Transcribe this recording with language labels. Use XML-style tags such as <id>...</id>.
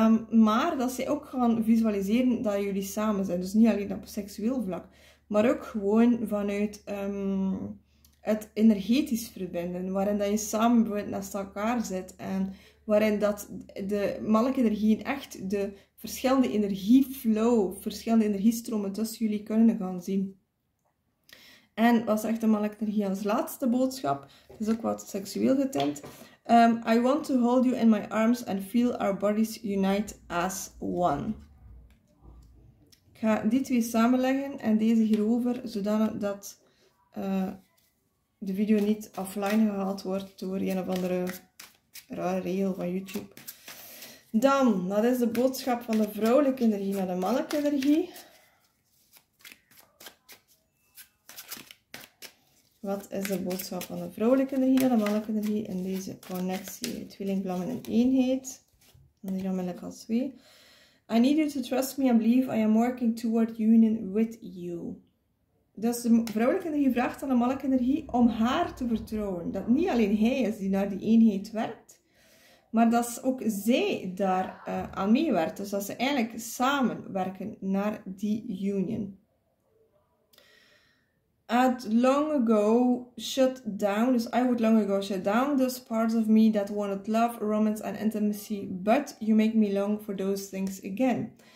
<nl>Maar dat zij ook gaan visualiseren dat jullie samen zijn. Dus niet alleen op seksueel vlak, maar ook gewoon vanuit het energetisch verbinden, waarin dat je samen naast elkaar zit en waarin dat de mannelijke energieën echt de verschillende energieflow, verschillende energiestromen tussen jullie kunnen gaan zien. En wat zegt de mannelijke energie als laatste boodschap? Dat is ook wat seksueel getint.</nl> <en>I want to hold you in my arms and feel our bodies unite as one.</en> <nl>Ik ga die twee samenleggen en deze hierover, zodat de video niet offline gehaald wordt door een of andere rare regel van YouTube. Dan, dat is de boodschap van de vrouwelijke energie naar de mannelijke energie. Wat is de boodschap van de vrouwelijke energie naar de mannelijke energie in deze connectie? Tweelingvlammen in eenheid. En die namelijk als twee.</nl> <en>I need you to trust me and believe I am working toward union with you.</en> <nl>Dus de vrouwelijke energie vraagt aan de mannelijke energie om haar te vertrouwen. Dat niet alleen hij is die naar die eenheid werkt, maar dat ook zij daar aan meewerkt. Dus dat ze eigenlijk samen werken naar die union.</nl> <en>I'd long ago shut down, dus I would long ago shut down those parts of me that wanted love, romance and intimacy, but you make me long for those things again.</en>